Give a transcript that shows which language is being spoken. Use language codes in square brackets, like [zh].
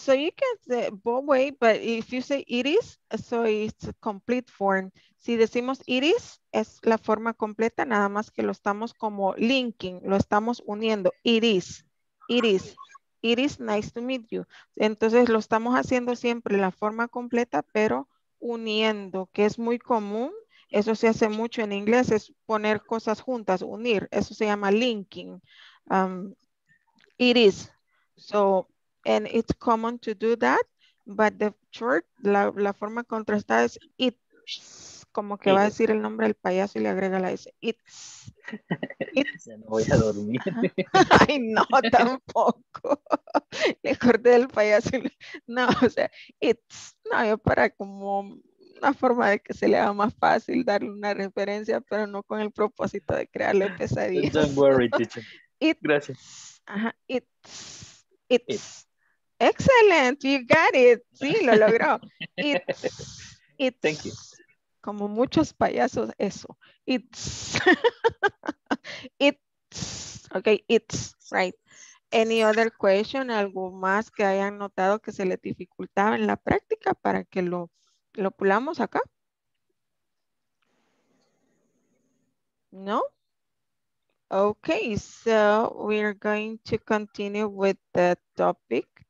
[en] So you can say both way, but if you say it is, so it's a complete form. [es] Si decimos [en] it is, [es] es la forma completa, nada más que lo estamos como linking, lo estamos uniendo. [en] It is. It is. It is nice to meet you. [es] Entonces lo estamos haciendo siempre la forma completa, pero uniendo, que es muy común. Eso se hace mucho en inglés, es poner cosas juntas, unir. Eso se llama linking. [en] It is. So, and it's common to do that, but the short, [es] la forma contrastada es [en] it's. [es] Como que va a decir el nombre del payaso y le agrega la S. [en] It's. [es] Ya no voy a dormir. Ay, no, tampoco. Le corté el payaso. No, o sea, [en] it's. [es] No, yo para como una forma de que se le haga más fácil darle una referencia, pero no con el propósito de crearle pesadillas. [en] Don't worry, teacher. It's. [es] Gracias. Ajá, [en] it's. It's. Excellent, you got it. [es] Sí, lo logró. [en] It's. Thank you. [es] Como muchos payasos, eso. [en] It's. It's. Okay, it's, right. Any other question, [es] algo más que hayan notado que se le dificultaba en la práctica para que lo pulamos acá? No? [en] Okay, so we're going to continue with the topic.